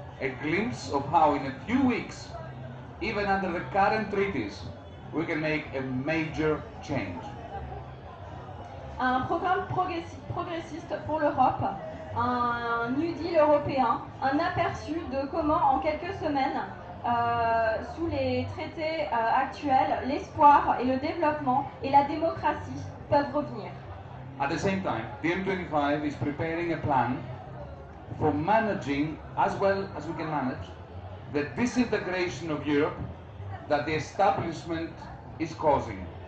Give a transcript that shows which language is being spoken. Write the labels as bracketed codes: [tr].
[en] A glimpse of how in a few weeks, even under the current treaties, we can make a major change. [fr] Un programme progressiste pour l'Europe, un New Deal européen, un aperçu de comment en quelques semaines, sous les traités actuels, l'espoir et le développement et la démocratie peuvent revenir. [en] At the same time, DiEM25 is preparing a plan for managing, as well as we can manage, the disintegration of Europe that the establishment is causing.